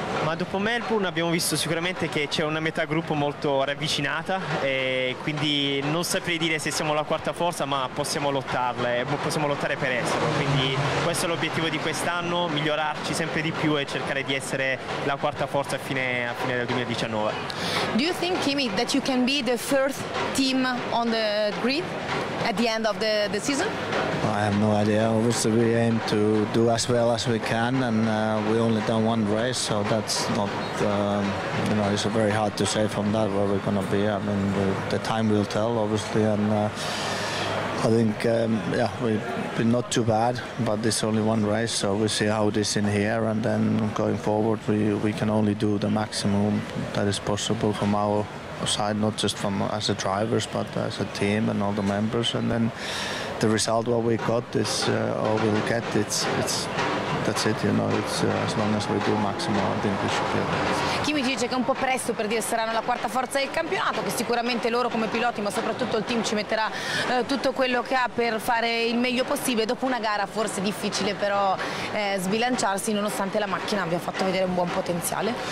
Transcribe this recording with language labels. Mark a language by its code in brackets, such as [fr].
[it] Ma dopo Melbourne abbiamo visto sicuramente che c'è una metà gruppo molto ravvicinata, e quindi non saprei dire se siamo la quarta forza, ma possiamo lottare per esserlo. Quindi questo è l'obiettivo di quest'anno, migliorarci sempre di più e cercare di essere la quarta forza a fine del 2019. [en] Do you think, Kimi, that you can be the first team on the grid at the end of the season? I have no idea. Obviously we aim to do as well as we can, and we only done one race, so that's not you know, it's very hard to say from that where we're gonna be. I mean, the time will tell, obviously, and I think, yeah, we've been not too bad, but this only one race, so we'll see how it is in here, and then going forward we can only do the maximum that is possible from our side, not just from as a drivers, but as a team and all the members, and then the result what we got is, or we'll get, it's that's it, you know, it's, as long as we do maximum, I think we should be able. [it] Kimi dice che è un po' presto per dire saranno la quarta forza del campionato, che sicuramente loro come piloti, ma soprattutto il team, ci metterà tutto quello che ha per fare il meglio possibile. Dopo una gara forse difficile, però sbilanciarsi nonostante la macchina abbia fatto vedere un buon potenziale.